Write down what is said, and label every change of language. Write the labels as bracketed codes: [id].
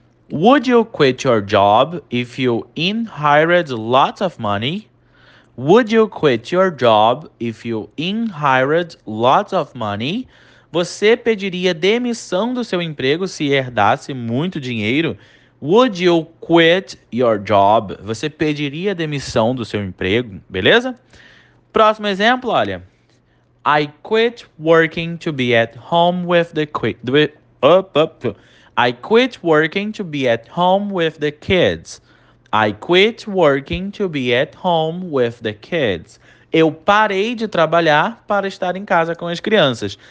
[en] Would you quit your job if you inherited lots of money? Would you quit your job if you inherited lots of money? [pt] Você pediria demissão do seu emprego se herdasse muito dinheiro? [en] Would you quit your job? [pt] Você pediria demissão do seu emprego, beleza? Próximo exemplo, olha. [en] I quit working to be at home with the I quit working to be at home with the kids. I quit working to be at home with the kids. [pt] Eu parei de trabalhar para estar em casa com as crianças.